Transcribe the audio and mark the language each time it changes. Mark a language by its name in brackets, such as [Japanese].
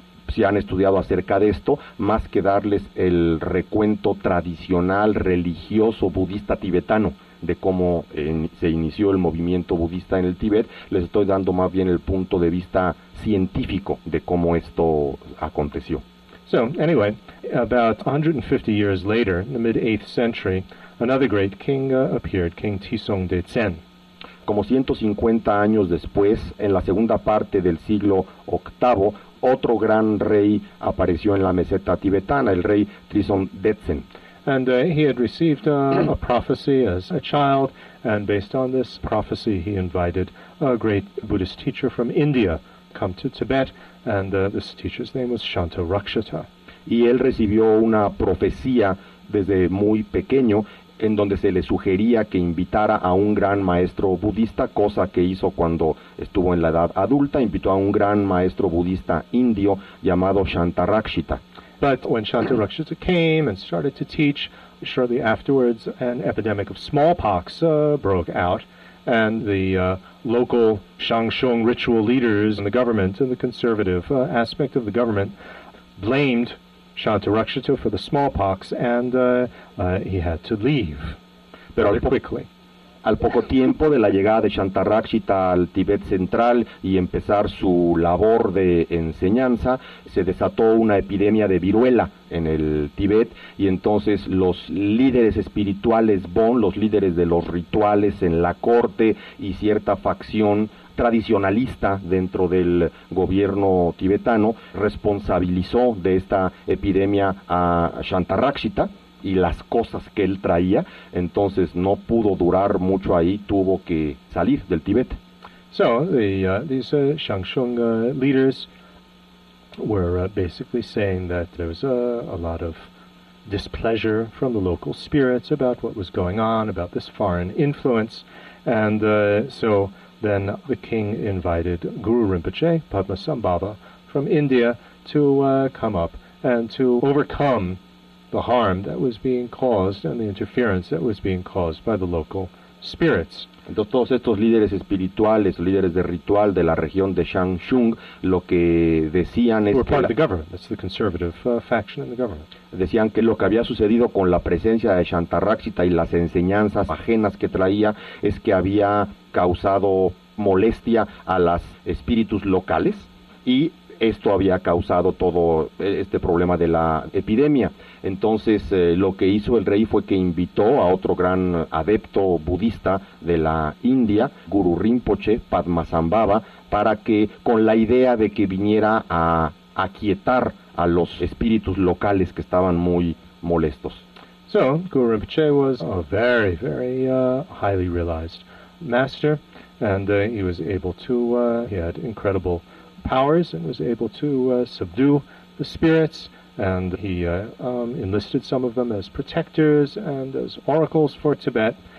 [Spanish] Si han estudiado acerca de esto, más que darles el recuento tradicional religioso budista tibetano, de cómo se inició el movimiento budista en el Tíbet, les estoy dando más bien el punto de vista científico de cómo esto aconteció. [English] So, anyway, about 150 years later, in the mid-8th century, another great king appeared, King Tisong de Tsen. [Spanish] Como 150 años después, en la segunda parte del siglo VIII, otro gran rey apareció en la meseta tibetana, el rey Tisong de Tsen. [English] And he had received a prophecy as a child, and based on this prophecy, he invited a great Buddhist teacher from India come to Tibet, and this teacher's name was Shanto Rakshita. [Spanish] Y él recibió una profecía desde muy pequeño, en donde se le sugería que invitara a un gran maestro budista, cosa que hizo cuando estuvo en la edad adulta, invitó a un gran maestro budista indio llamado Shantarakshita. [English] But when Shantarakshita came and started to teach, shortly afterwards an epidemic of smallpox broke out, and the local Shangshong ritual leaders and the government and the conservative aspect of the government blamed Shantarakshita for the smallpox, and he had to leave quickly. [Spanish] Al poco tiempo de la llegada de Shantarakshita al Tíbet central y empezar su labor de enseñanza, se desató una epidemia de viruela en el Tíbet, y entonces los líderes espirituales Bon, los líderes de los rituales en la corte y cierta facción tradicionalista dentro del gobierno tibetano responsabilizó de esta epidemia a Shantarakshita y las cosas que él traía. Entonces no pudo durar mucho ahí, tuvo que salir del Tíbet. [English] So these Shangshung leaders were basically saying that there was a lot of displeasure from the local spirits about what was going on, about this foreign influence, and so then the king invited Guru Rinpoche, Padmasambhava, from India to come up and to overcome the harm that was being caused and the interference that was being caused by the local spirits. [Spanish] Entonces, todos estos líderes espirituales, líderes de ritual de la región de Shangshung, lo que decían es [English] part of the government. That's the conservative faction in the government. [Spanish] Decían que lo que había sucedido con la presencia de Shantarakshita y las enseñanzas ajenas que traía es que había causado molestia a los espíritus locales, y esto había causado todo este problema de la epidemia. Entonces, lo que hizo el rey fue que invitó a otro gran adepto budista de la India, Guru Rinpoche, Padmasambhava, para que, con la idea de que viniera a aquietar a los espíritus locales que estaban muy molestos. [English] So, Guru Rinpoche was a very, very highly realized master, and he was able to, he had incredible powers and was able to subdue the spirits, and he enlisted some of them as protectors and as oracles for Tibet.